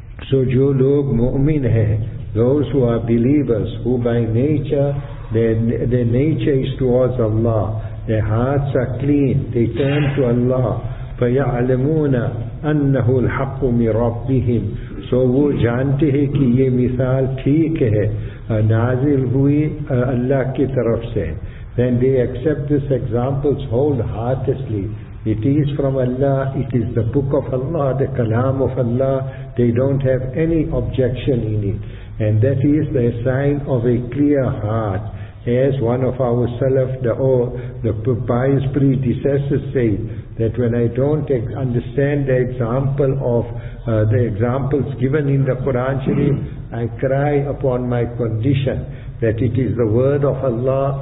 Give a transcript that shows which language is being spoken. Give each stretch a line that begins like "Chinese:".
English: So
Urdu: جو لوگ مؤمن ہیں,
English: those who are believers, who by nature, their nature is towards Allah, their hearts are clean, they turn to Allah.
Arabic: فَيَعْلَمُونَ أَنَّهُ الْحَقُّ مِنْ رَبِّهِمْ.
Urdu: So وہ جانتے ہیں کہ یہ مثال ٹھیک ہے, نازل ہوئی اللہ کی طرف سے.
English: Then they accept this examples wholeheartedly. It is from Allah, it is the book of Allah, the kalam of Allah. They don't have any objection in it. And that is the sign of a clear heart. As one of our salaf, the pious predecessors say, that when I don't understand the example of the examples given in the Quran Sharif, I cry upon my condition that it is the word of Allah.